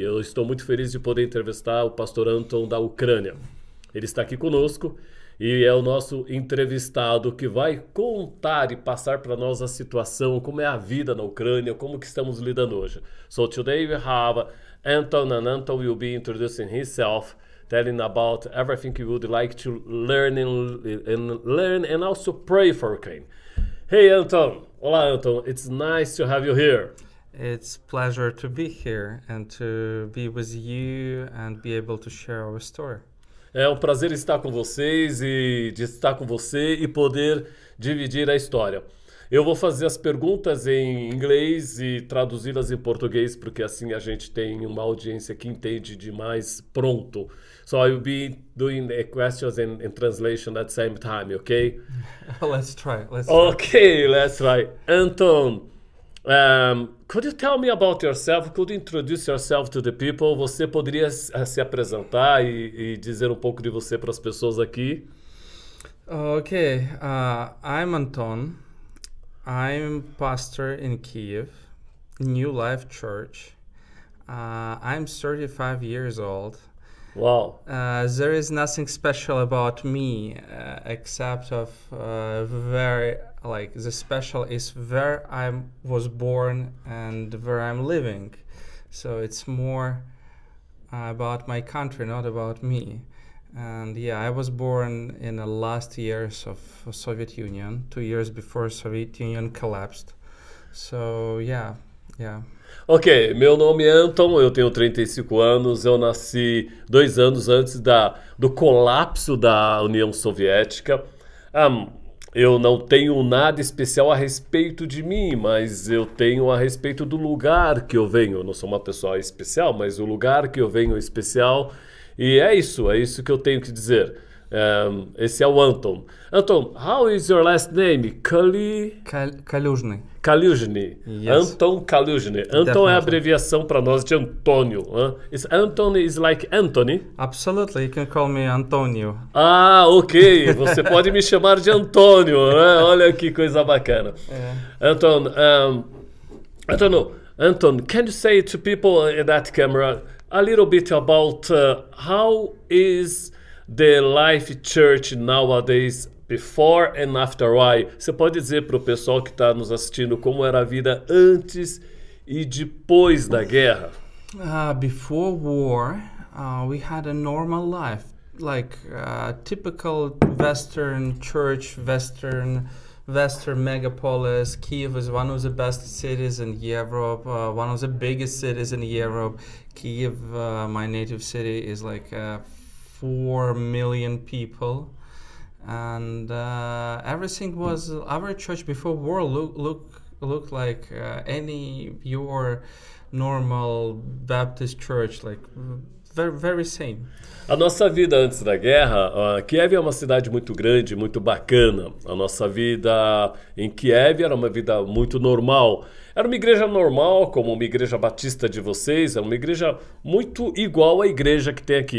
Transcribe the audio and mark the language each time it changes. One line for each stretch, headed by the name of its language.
Portuguese: Eu estou muito feliz de poder entrevistar o pastor Anton da Ucrânia. Ele está aqui conosco e é o nosso entrevistado que vai contar e passar para nós a situação, como é a vida na Ucrânia, como que estamos lidando hoje.
English: So today we have Anton, and Anton will be introducing himself, telling about everything he would like to learn and also pray for Ukraine. Hey Anton,
Portuguese: olá Anton,
English: it's nice to have you here. It's a pleasure to be here and to be with you and be able to share our story.
Portuguese: É um prazer estar com vocês e de estar com você e poder dividir a história. Eu vou fazer as perguntas em inglês e traduzi-las em português, porque assim a gente tem uma audiência que entende demais pronto.
English: So I will be doing the questions in translation at the same time, ok? Let's try. Anton, could you tell me about yourself? Could you introduce yourself to the people?
Portuguese: Você poderia se apresentar e dizer um pouco de você para as pessoas aqui?
English: Okay, I'm Anton. I'm pastor in Kyiv, New Life Church. I'm 35 years old. Wow. There is nothing special about me, except of very, like, the special is where I was born and where I'm living. So it's more about my country, not about me. And yeah, I was born in the last years of Soviet Union, 2 years before Soviet Union collapsed. So yeah, yeah.
Portuguese: Ok, meu nome é Anton, eu tenho 35 anos, eu nasci 2 anos antes do colapso da União Soviética. Eu não tenho nada especial a respeito de mim, mas eu tenho a respeito do lugar que eu venho. Eu não sou uma pessoa especial, mas o lugar que eu venho é especial. E é isso que eu tenho que dizer. Esse é o Anton.
English: Anton, how is your last name? Kaluzhny. Kaluzhny. Yes. Anton Kaluzhny.
Portuguese: Anton é a abreviação para nós de Antônio.
English: Anton is like Anthony. Absolutely, you can call me Antonio.
Portuguese: Ah, ok. Você pode me chamar de Antônio. Né? Olha que coisa bacana.
English: Yeah. Anton, Anton, can you say to people in that camera a little bit about how is the life church nowadays, before and after why?
Portuguese: Você pode dizer para o pessoal que está nos assistindo como era a vida antes e depois da guerra?
English: Before war, we had a normal life, like a typical Western church, Western megapolis. Kyiv is one of the best cities in Europe, one of the biggest cities in Europe. Kyiv, my native city, is like 4 million people. And everything was, our church before war looked like any your normal Baptist church, like very, very same.
Portuguese: A nossa vida antes da guerra, Kiev é uma cidade muito grande, muito bacana. A nossa vida em Kiev era uma vida muito normal. Era uma igreja normal, como uma igreja batista de vocês. É uma igreja muito igual à igreja que tem aqui.